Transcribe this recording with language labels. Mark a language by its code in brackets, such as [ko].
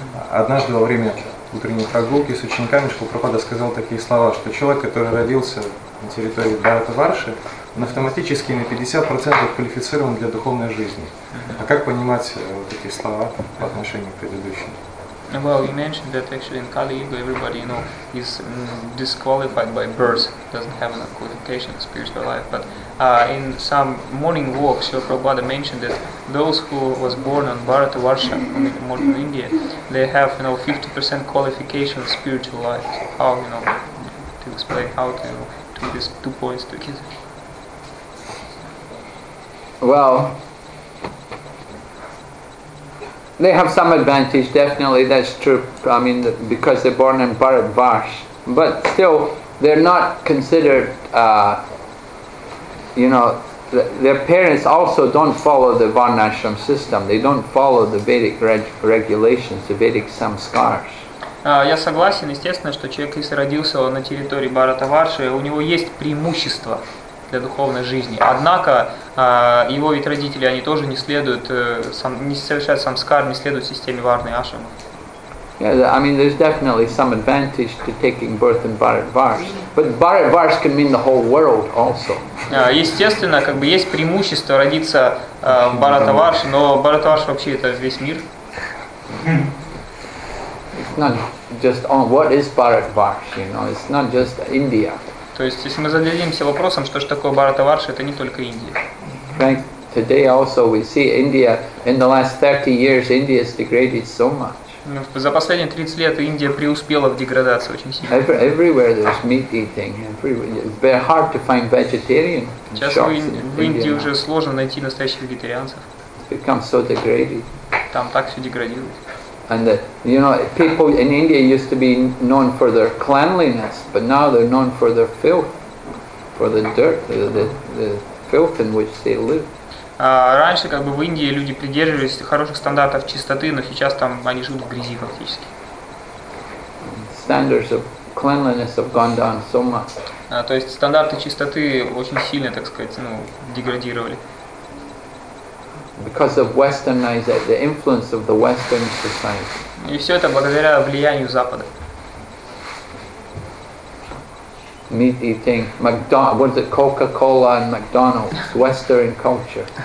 [ru] Однажды во время утренней прогулки с учениками Шрупрапада сказал такие слова, что человек, который родился на территории Бхарата-Варши, он автоматически на 50% квалифицирован для духовной жизни. А как понимать вот такие слова по отношению к предыдущим? [en] Well, you mentioned that actually in Kali Yuga everybody, you know, is disqualified by birth, doesn't have a qualification in spiritual life. But in some morning walk, Srila Prabhupada mentioned that those who was born on Bharata Varsha, modern India, they have, you know, 50% qualification in spiritual life. How, you know, to explain how to do these two points together? Well, they have some advantage, definitely, that's true, I mean, because they're born in Bharat Varsh. But still, they're not considered, their parents also don't follow the Varnashram system. They don't follow the Vedic regulations, the Vedic samskars. [ru] Я согласен, естественно, что человек, если родился на территории Бхарата-варши, у него есть преимущество для духовной жизни. Однако его ведь родители, они тоже не следуют, не совершают самскар, не следуют системе варны ашрама. [en] Yeah, I mean, there's definitely some advantage to taking birth in Bharatvarsh, but Bharatvarsh can mean the whole world also. [ru] Естественно, как бы есть преимущество родиться в Бхарата-варш, но Бхарата-варш вообще это весь мир. [en] It's not just on what is Bharatvarsh, you know. It's not just India. [ru] То есть, если мы зададимся вопросом, что же такое Бхарата-варш, это не только Индия. [en] Right. Today also we see India. In the last 30 years, India has degraded so much. [ru] За последние 30 лет Индия преуспела в деградации очень сильно. [en] Everywhere there's meat eating. Very hard to find vegetarian. [ru] Сейчас в Индии уже сложно найти настоящих вегетарианцев. [en] It's become so degraded. [ru] Там так все деградилось. [en] And you know, people in India used to be known for their cleanliness, but now they're known for their filth, for the dirt, the filth in which they live. [ru] Раньше как бы в Индии люди придерживались хороших стандартов чистоты, но сейчас там они живут в грязи фактически. [en] Standards of cleanliness have gone down so much. [ru] То есть стандарты чистоты очень сильно, так сказать, ну, деградировали. [en] Because of westernized, the influence of the western society. [ru] И все это благодаря влиянию Запада. [en] Meat eating, what's it, Coca-Cola and McDonald's, Western culture.